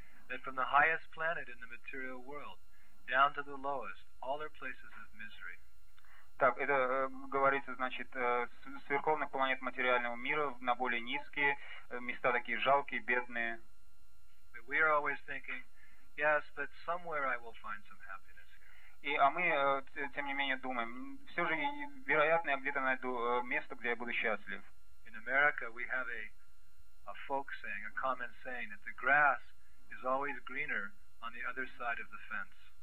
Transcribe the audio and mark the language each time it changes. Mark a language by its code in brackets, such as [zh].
[en] That from the highest planet in the material world down to the lowest, all are places of misery. [ru] Так, это говорится, значит, с верховных планет материального мира на более низкие места, такие жалкие, бедные. [en] But we are always thinking, yes, but somewhere I will find some happiness here. [ru] И, а мы, тем не менее, думаем, все же, вероятно, я где-то найду место, где я буду счастлив. [en] In America we have a folk saying, a common saying, that the grass is always greener on the other side of the fence.